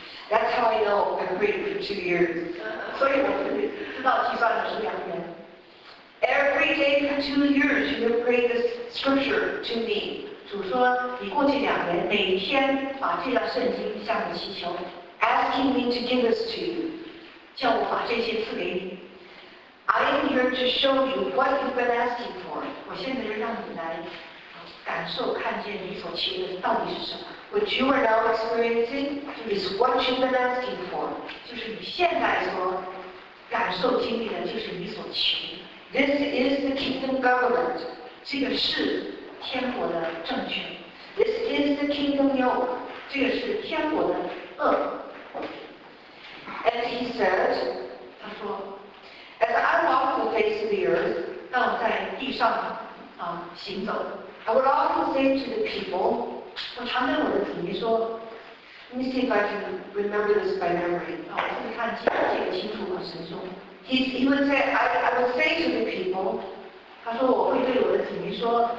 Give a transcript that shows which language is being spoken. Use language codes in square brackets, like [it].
[en] That's how I know I've prayed for 2 years. [zh] 所以我就知道计算的是两年。 [en] Every day for 2 years, you have prayed this scripture to me. [zh] 主说，你过去两年每天把这段圣经向你祈求。 [en] Asking me to give this to you. [zh] 叫我把这些赐给你。 [en] I am here to show you what you've been asking for. [zh] 我现在就让你来感受看见你所祈求的到底是什么。 [en] What you are now experiencing is what you've been asking for. [zh] 就是你现在所感受经历的就是你所求。 [en] This is the kingdom government. [zh] 这个是天国的政权。 [en] This is the kingdom yoke. [zh] 这个是天国的轭。 [en] And he said, [zh] 他说， [en] As I walk the face of the earth, [zh] 当我在地上啊行走， [en] I would often say to the people, [zh] 我常跟我的子民说， [en] Let me see if I can remember this by memory. [zh] 啊，我自己看记得这个清楚吗？神说， [en] He would say, I would say to the people, [zh] 他说我会对我的子民说，